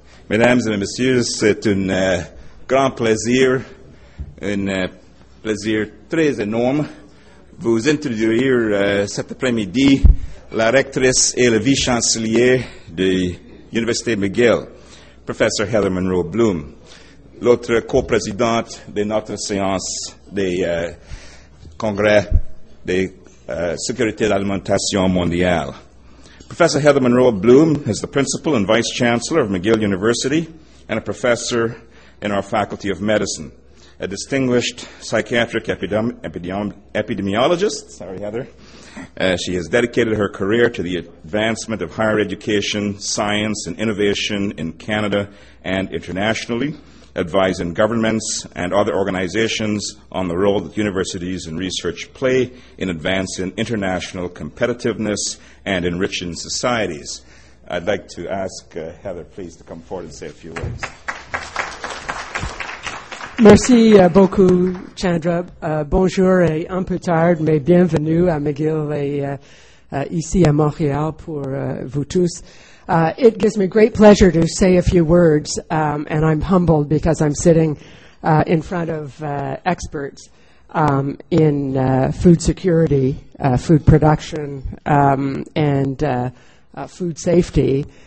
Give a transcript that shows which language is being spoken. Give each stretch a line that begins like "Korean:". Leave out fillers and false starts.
French: Mesdames et messieurs, c'est un grand plaisir, un plaisir très énorme, vous introduire cet après-midi la rectrice et le vice-chancelier de l'Université McGill, professeur Heather Monroe Bloom. L'autre coprésidente de notre séance des congrès de sécurité de l'alimentation mondiale.
English: Professor Heather Monroe Bloom is the principal and vice chancellor of McGill University and a professor in our Faculty of Medicine. A distinguished psychiatric epidemiologist, sorry Heather, she has dedicated her career to the advancement of higher education, science, and innovation in Canada and internationally, advising governments and other organizations on the role that universities and research play in advancing international competitiveness and enriching societies. I'd like to ask Heather, please, to come forward and say a few words.
French: Merci beaucoup, Chandra. Bonjour et un peu tard, mais bienvenue à McGill et ici à Montréal pour vous tous.
English: It gives me great pleasure to say a few words, and I'm humbled because I'm sitting in front of experts in food security, food production, and food safety.